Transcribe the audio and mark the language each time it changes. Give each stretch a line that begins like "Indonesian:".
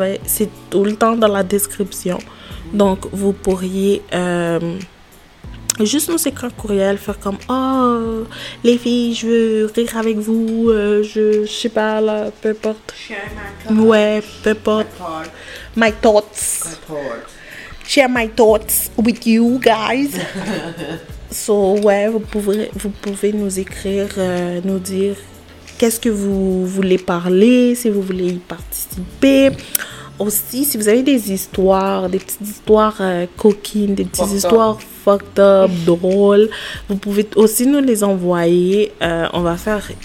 French: C'est tout le temps dans la description. Donc, vous pourriez juste nous écrire un courriel, faire comme « Oh, les filles, je veux rire avec vous, je sais pas, là, peu importe. » Ouais, peu importe.
English: My thoughts. Share my thoughts with you guys.
French: So, ouais, vous pouvez nous écrire, nous dire qu'est-ce que vous voulez parler, si vous voulez y participer. Aussi, si vous avez des histoires, des petites histoires coquines, des petites histoires fucked up, drôles, vous pouvez aussi nous les envoyer. On va faire...